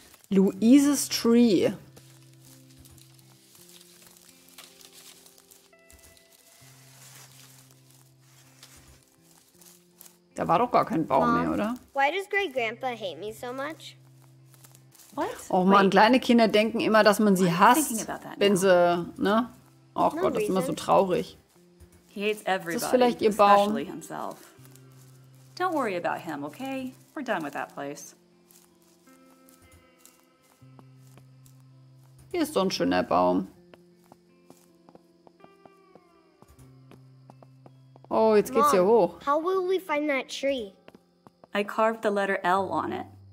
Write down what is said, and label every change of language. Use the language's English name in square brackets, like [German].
[English] Louise's Tree. [German] Da war war doch gar kein Baum mehr, oder? [English] Why does great grandpa hate me so much? What? [German] Oh Mann, kleine Kinder denken immer, dass man sie hasst, wenn sie, ne? Oh Gott, das ist immer so traurig. [English] He hates everybody. [German] Ist das vielleicht ihr Baum? [English] Don't worry about him, okay? We're done with that place. [German] Hier ist so ein schöner Baum. Oh, jetzt geht's hier hoch. [English] How will we find that tree? I carved the letter L on it.